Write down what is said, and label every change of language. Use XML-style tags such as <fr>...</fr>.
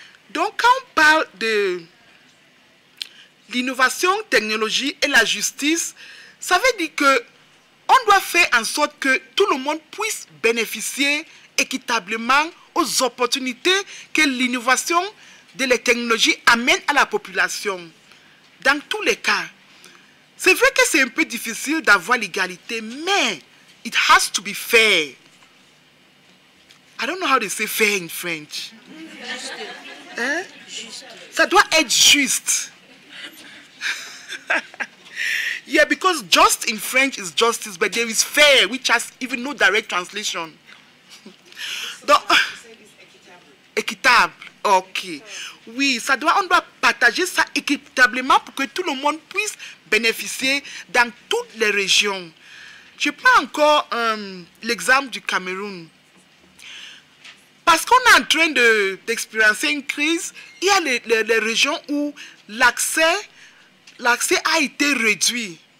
<fr>Donc, quand on parle de l'innovation, technologie et la justice, ça veut dire que on doit faire en sorte que tout le monde puisse bénéficier équitablement aux opportunités que l'innovation de la technologie amène à la population. Dans tous les cas, c'est vrai que c'est un peu difficile d'avoir l'égalité, mais</fr> <en>it has to be fair. I don't know how to say fair in French.</en> <fr>Juste. Hein? Juste. Ça doit être juste.</fr> <en>Yeah, because just in French is justice, but there is fair, which has even no direct translation.</en> <fr>Équitable. OK. Oui, on doit partager ça équitablement pour que tout le monde puisse bénéficier dans toutes les régions. Je prends encore l'exemple du Cameroun. Parce qu'on est en train d'expérimenter une crise, il y a les régions où l'accès a été réduit.</fr>